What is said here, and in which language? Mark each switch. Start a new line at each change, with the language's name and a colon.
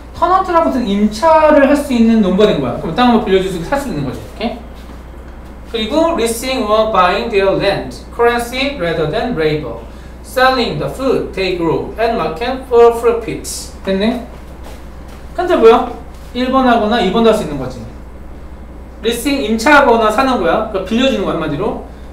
Korean: tenant라고 무슨 임차를 할 수 있는 농부가 된 거야. 그럼 땅을 빌려줄 수 있고 살 수 있는 거지. 그리고
English: leasing or buying their land, currency rather than labor, selling the food they grow and market for profit.
Korean: 됐네. 근데 뭐야? 1번 하거나 2번도 할 수 있는 거지. leasing 임차하거나 사는 거야. 그러니까 빌려주는 거 한마디로.